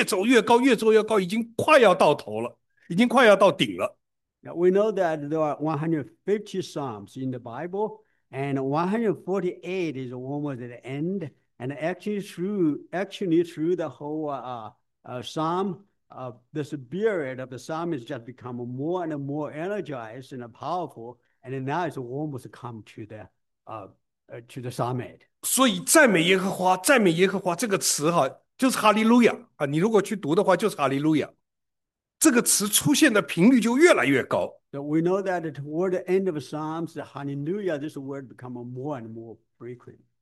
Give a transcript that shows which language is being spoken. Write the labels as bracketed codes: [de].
[zh] 这个就是一个诗篇到148篇。我们知道诗篇总共只有150篇，诗篇148篇就是整个的诗篇里面，灵里面已经越走越高，越走越高，已经快要到头了。已经快要到顶了。 [en] Now we know that there are 150 psalms in the Bible, and 148 is almost at the end. And actually through the whole psalm, the spirit of the psalmist just become more and more energized and powerful. And now it's almost come to the summit. [zh] 所以赞美耶和华，赞美耶和华这个词哈，就是哈利路亚啊！你如果去读的话，就是哈利路亚。这个词出现的频率就越来越高。 [en] So we know that toward the end of Psalms, Hallelujah, this word become more and more frequent.